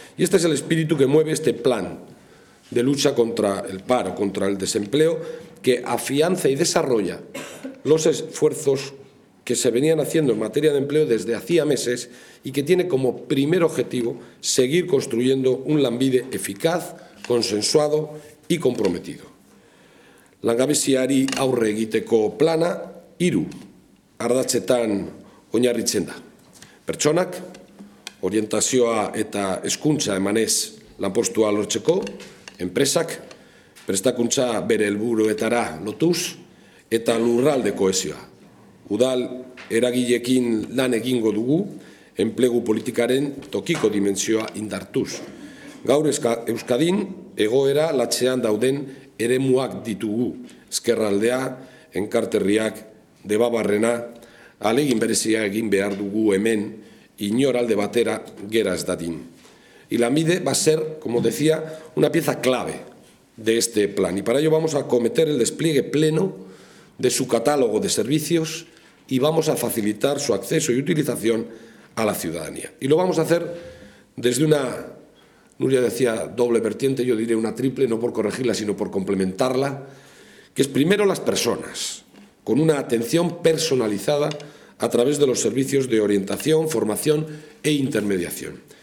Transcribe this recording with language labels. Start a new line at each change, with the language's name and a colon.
Spanish: Y este es el espíritu que mueve este plan de lucha contra el paro, contra el desempleo, que afianza y desarrolla los esfuerzos que se venían haciendo en materia de empleo desde hacía meses y que tiene como primer objetivo seguir construyendo un lanbide eficaz, consensuado y comprometido.
Basque: Langabeziari aurre egiteko plana, hiru, ardatzetan oinarritzen da. Pertsonak, orientazioa eta hezkuntza emanez lanpostua lortzeko, enpresak, prestakuntza bere helburuetara lotuz, eta lurralde kohesioa. Udal eragileekin lan egingo dugu, enplegu politikaren tokiko dimentsioa indartuz. Gaur Euskadin, egoera latzean dauden eremuak ditugu, Ezkerraldea, Enkarterriak, Debabarrena, alegin berezia egin behar dugu hemen, inor alde batera gera ez dadin.
Spanish: Y Lanbide va a ser, como decía, una pieza clave de este plan. Y para ello vamos a acometer el despliegue pleno de su catálogo de servicios y vamos a facilitar su acceso y utilización a la ciudadanía. Y lo vamos a hacer desde una, Nuria decía, doble vertiente, yo diré una triple, no por corregirla, sino por complementarla, que es primero las personas, con una atención personalizada a través de los servicios de orientación, formación e intermediación.